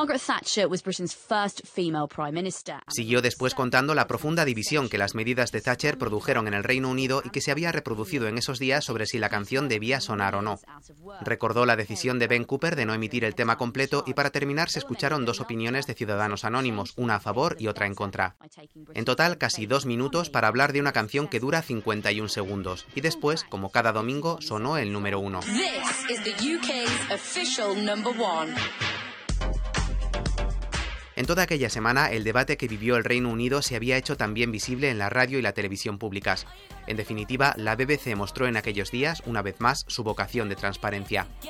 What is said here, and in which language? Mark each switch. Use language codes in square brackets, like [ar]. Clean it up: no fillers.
[en] Margaret Thatcher was Britain's first female prime minister. [es] Siguió después contando la profunda división que las medidas de Thatcher produjeron en el Reino Unido y que se había reproducido en esos días sobre si la canción debía sonar o no. Recordó la decisión de Ben Cooper de no emitir el tema completo y para terminar se escucharon dos opiniones de ciudadanos anónimos, una a favor y otra en contra. En total, casi 2 minutos para hablar de una canción que dura 51 segundos y después, como cada domingo, sonó el número uno. [en] This is the UK's official number one. [es] En toda aquella semana, el debate que vivió el Reino Unido se había hecho también visible en la radio y la televisión públicas. En definitiva, la BBC mostró en aquellos días, una vez más, su vocación de transparencia.